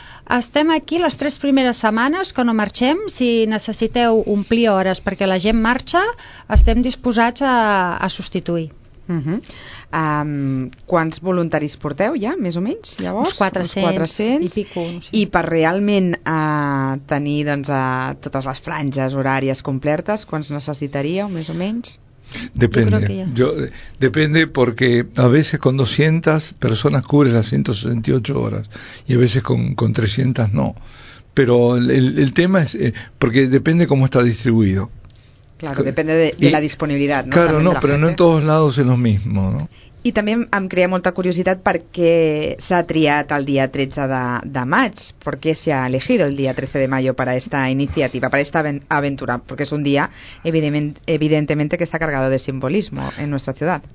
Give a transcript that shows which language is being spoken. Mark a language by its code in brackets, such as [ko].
[ca] estem aquí les tres primeres setmanes que no marxem, si necessiteu omplir hores perquè la gent marxa, estem disposats a substituir. Quants voluntaris porteu ja, més o menys, llavors? Uns 400 i pico. I per realment tenir doncs, totes les franges horàries complertes, quants necessitaríeu, més o menys? [es] Depende porque a veces con 200 personas cubres las 168 horas y a veces con 300 no, pero el tema es porque depende cómo está distribuido. Claro, depende de la disponibilidad, ¿no? Claro, no, pero no en todos lados es lo mismo, ¿no? [ca] I també em crea molta curiositat per què s'ha triat el dia 13 de maig, per què s'ha elegit el dia 13 de maio per a aquesta iniciativa, per a aquesta aventura, perquè és un dia, evidentment, que està cargat de simbolisme en la nostra ciutat.